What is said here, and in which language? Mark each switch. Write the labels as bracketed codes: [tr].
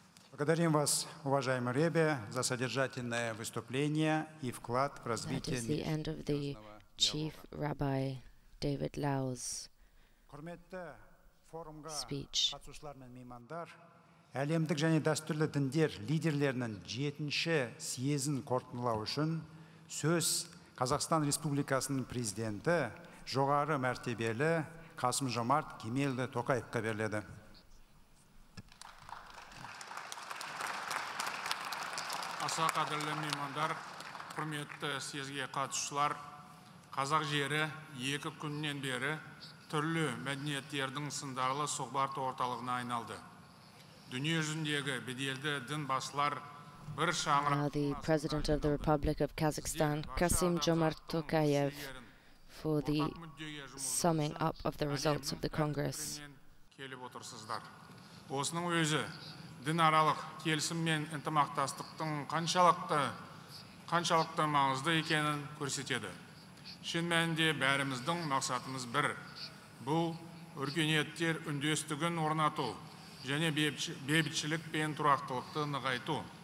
[ru] Благодарим вас, уважаемый ребе, за содержательное выступление и вклад в развитие международного диалога. [kk] Құрметті форумға қатысушылар мен меймандар, әлемдік және дәстүрлі діндер лидерлерінің 7-ші съезін қорытындылау үшін сөз Қазақстан Республикасының президенті жоғары мәртебелі Қасым-Жомарт Кемелұлы Тоқаевқа беріледі. Аса қадірлі меймандар, құрметті съезге қатысушылар, қазақ жері екі күннен бері түрлі мәдениеттердің сындарлы соғбарты орталығына айналды. Дүние жүзіндегі беделді дін басылар бір шаңырақ. [en] Now the President of the Republic of Kazakhstan, Kasym-Jomart Tokayev, for the summing up of the results of the Congress. [kk] Келіп отырсыздар. Осының өзі дінаралық келісім мен ынтымақтастықтың қаншалықты маңызды екенін көрсетеді. Шын мәнінде бәріміздің мақсатымыз бір. Бұл өркениеттер үндестігін орнату және бейбітшілік пен тұрақтылықты нығайту.